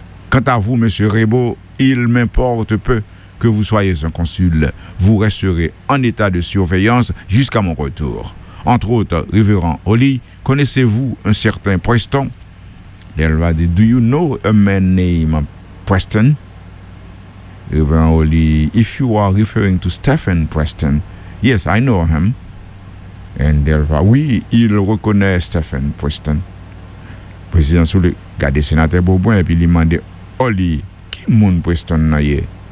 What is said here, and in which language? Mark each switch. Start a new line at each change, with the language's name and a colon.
French: Quant à vous, Monsieur Rebo, il m'importe peu que vous soyez un consul. Vous resterez en état de surveillance jusqu'à mon retour. Entre autres, Révérend Oli, connaissez-vous un certain Preston? L'Elva dit,
English: do you know a man named Preston? Révérend Oli, if you are referring to Stephen Preston, yes, I know him.
French: Et l'Elva, oui, il reconnaît Stephen Preston. Président Soule, gardez sénateur Bourbon, et puis il demande, Oli, qui moun Preston naye?